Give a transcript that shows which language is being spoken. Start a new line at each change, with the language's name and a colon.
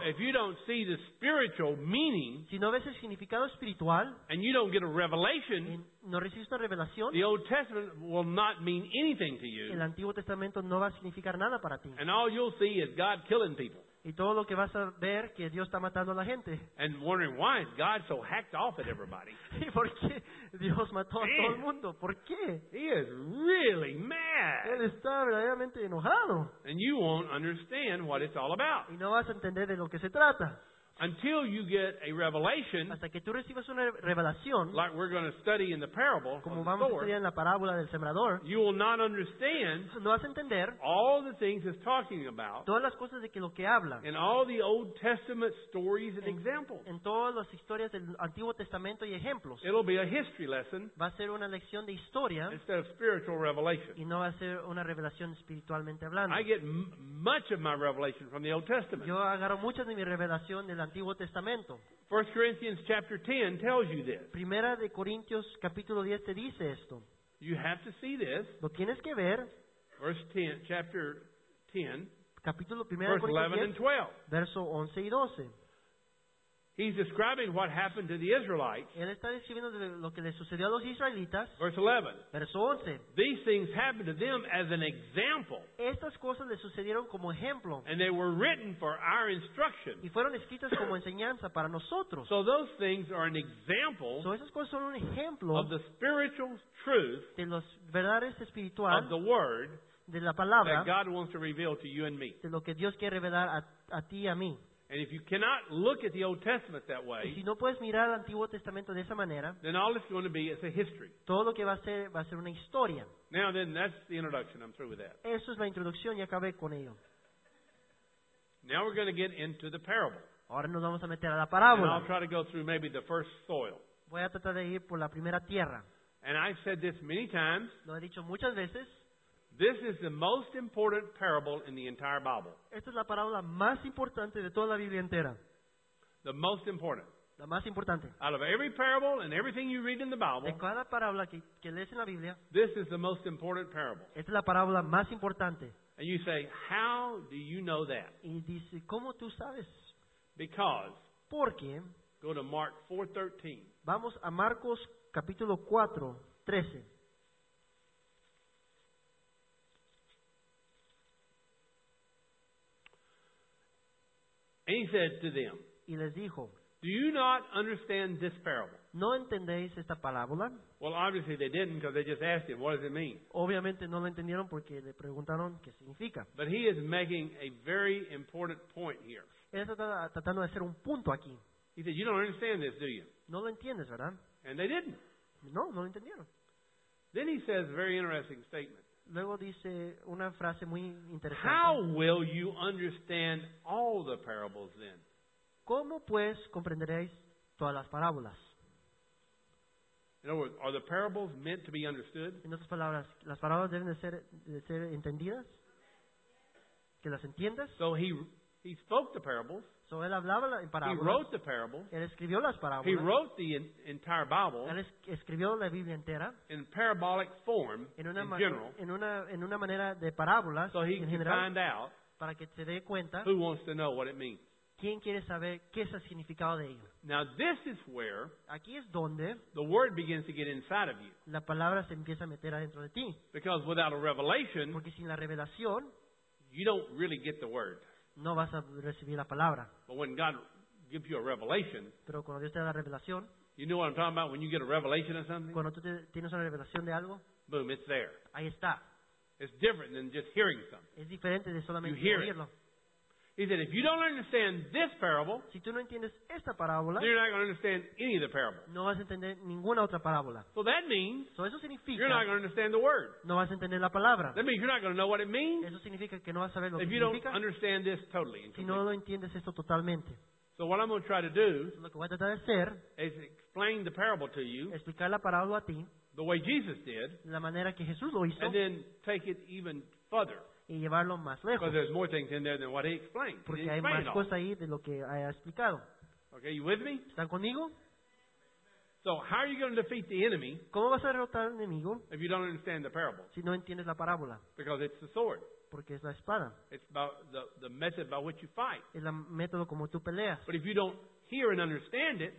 English: So if you don't see the spiritual meaning,
Spanish: si no ves el significado espiritual,
English: and you don't get a revelation,
Spanish: no recibes una revelación,
English: the Old Testament will not mean anything to you.
Spanish: El Antiguo Testamento no va a significar nada para ti.
English: And all you'll see is God killing people.
Spanish: Y todo lo que vas a ver que Dios está matando a la gente.
English: And wondering why is God so hacked off at everybody.
Spanish: ¿Y por qué Dios mató a todo el mundo? ¿Por qué?
English: He is really mad.
Spanish: Él está verdaderamente enojado.
English: And you won't understand what it's all about.
Spanish: Y no vas a entender de lo que se trata.
English: Until you get a revelation,
Spanish: hasta que tú recibas una revelación,
English: like we're going to study in the parable,
Spanish: como vamos
English: the
Spanish: a estudiar en la parábola del sembrador,
English: you will not understand,
Spanish: no vas a entender,
English: all the things it's talking about,
Spanish: todas las cosas de que lo que habla,
English: and all the Old Testament stories and examples,
Spanish: en todas las historias del Antiguo Testamento y ejemplos,
English: it'll be a history lesson,
Spanish: va a ser una lección de historia,
English: instead of spiritual revelation,
Spanish: y no va a ser una revelación espiritualmente hablando.
English: I get much of my revelation from the Old Testament.
Spanish: Yo agarro muchas de mi revelación del Antiguo Testamento.
English: 1 Corinthians chapter 10 tells you this.
Spanish: Primera de Corintios capítulo 10 te dice esto.
English: You have to see this.
Spanish: Lo tienes que ver.
English: Verse 10, chapter 10.
Spanish: Capítulo primera
English: verse
Spanish: Corintios
English: 11 10, and 12.
Spanish: Verso 11 y 12.
English: He's describing what happened to the Israelites.
Spanish: Él está describiendo lo que le sucedió a los israelitas.
English: Verse 11.
Spanish: Verso 11.
English: These things happened to them as an example.
Spanish: Estas cosas le sucedieron como ejemplo.
English: And they were written for our instruction.
Spanish: Y fueron escritas como enseñanza para nosotros.
English: So those things are an example.
Spanish: So esas cosas son un ejemplo
English: of the spiritual truth.
Spanish: De las verdades espirituales.
English: Of the word.
Spanish: De la palabra.
English: That God wants to reveal to you and me.
Spanish: De lo que Dios quiere revelar a ti y a mí.
English: And if you cannot look at the Old Testament that way,
Spanish: si no puedes mirar el Antiguo Testamento de esa manera,
English: then all it's going to be is a history.
Spanish: Todo lo que va a ser una historia.
English: Now then, that's the introduction. I'm through with that.
Spanish: Eso es la introducción y acabé con ello.
English: Now we're going to get into the parable.
Spanish: Ahora nos vamos a meter a la parábola.
English: And I'll try to go through maybe the first soil.
Spanish: Voy a tratar de ir por la primera tierra.
English: And I've said this many times.
Spanish: Lo he dicho muchas veces.
English: This is the most important parable in the entire Bible.
Spanish: Esta es la parábola más importante de toda la Biblia entera.
English: The most important.
Spanish: La más importante.
English: Out of every parable and everything you read in the Bible.
Spanish: De cada parábola que lees en la Biblia.
English: This is the most important parable.
Spanish: Esta es la parábola más importante.
English: And you say, how do you know that?
Spanish: Y dice, ¿cómo tú sabes?
English: Because.
Spanish: ¿Por qué?
English: Go to Mark 4:13.
Spanish: Vamos a Marcos capítulo 4, 13.
English: And he said to them,
Spanish: y les dijo,
English: do you not understand this parable?
Spanish: ¿No entendéis esta parábola?
English: Well, obviously they didn't because they just asked him, what does it mean?
Spanish: Obviamente no lo entendieron porque le preguntaron qué significa.
English: But he is making a very important point here.
Spanish: Él está tratando de hacer un punto aquí.
English: He said, you don't understand this, do you?
Spanish: No lo entiendes, ¿verdad?
English: And they didn't.
Spanish: No, no lo entendieron.
English: Then he says a very interesting statement.
Spanish: Luego dice una frase muy interesante.
English: How will you understand all the parables then?
Spanish: ¿Cómo pues comprenderéis todas las parábolas?
English: In other words, are the parables meant to be understood?
Spanish: En otras palabras, ¿las parábolas deben de ser entendidas? ¿Que las entiendas?
English: So he spoke the parables.
Spanish: So él hablaba en parábolas.
English: He wrote the parables.
Spanish: Él escribió las parábolas.
English: He wrote the entire Bible.
Spanish: Él escribió la Biblia entera.
English: In parabolic form, in general.
Spanish: En una manera de parábolas.
English: So he can
Spanish: general,
English: find out
Spanish: para que se dé cuenta
English: who wants to know what it means.
Spanish: ¿Quién quiere saber qué es el significado de ello?
English: Now this is where
Spanish: aquí es donde
English: the word begins to get inside of you.
Spanish: La palabra se empieza a meter adentro de ti.
English: Because without a revelation,
Spanish: porque sin la revelación,
English: you don't really get the word.
Spanish: No vas a recibir la palabra.
English: But when God gives you a revelation,
Spanish: pero cuando Dios te da la revelación,
English: you know what I'm talking about when you get a revelation of something?
Spanish: Cuando tú tienes una revelación de algo,
English: boom, it's there.
Spanish: Ahí está.
English: It's different than just hearing something.
Spanish: Es diferente de solamente
English: you hear
Spanish: oírlo.
English: It. He said, if you don't understand this parable,
Spanish: si tú no entiendes esta parábola,
English: then you're not going to understand any of the parables.
Spanish: No vas a entender ninguna otra parábola.
English: So that means
Spanish: so eso significa,
English: you're not going to understand the word.
Spanish: No vas a entender la palabra.
English: That means you're not going to know what it means
Spanish: eso significa que no vas a saber lo
English: if
Spanish: que
English: you
Spanish: significa,
English: don't understand this totally.
Spanish: Si no lo entiendes esto totalmente.
English: So what I'm going to try to do
Spanish: lo que voy a tratar de hacer,
English: is explain the parable to you
Spanish: explicar la parábola a ti,
English: the way Jesus did,
Spanish: la manera que Jesús lo hizo,
English: and then take it even further.
Spanish: Y llevarlo más lejos.
English: Because there's more things in there than what he explained.
Spanish: Porque hay más cosas ahí de lo que ha explicado.
English: Okay, you with me?
Spanish: ¿Están conmigo?
English: So how are you going to defeat the enemy?
Spanish: ¿Cómo vas a derrotar al enemigo?
English: If you don't understand the parable.
Spanish: Si no entiendes la parábola.
English: Because it's the sword.
Spanish: Porque es la espada.
English: It's about the method by which you fight.
Spanish: Es el método como tú peleas.
English: But if you don't hear and understand it,